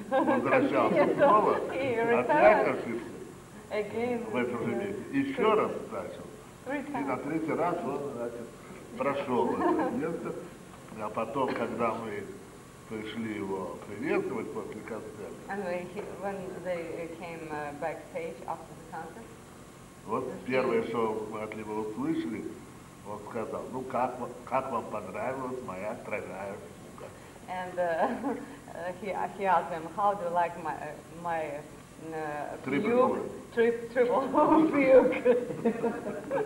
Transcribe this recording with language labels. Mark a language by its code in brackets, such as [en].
[ru] Возвращался снова, опять ошибся. [en] Again, [ru] в этом же месте. Еще раз начал. И на третий раз он, значит, прошел это место. А потом, когда мы пришли его приветствовать после концерта. [en] And when they came backstage after the concert. [ru] Вот первое, что мы от него услышали, он сказал, ну как вам понравилась моя тройная фуга. [en] And he asked them, how do you like my triple fugue?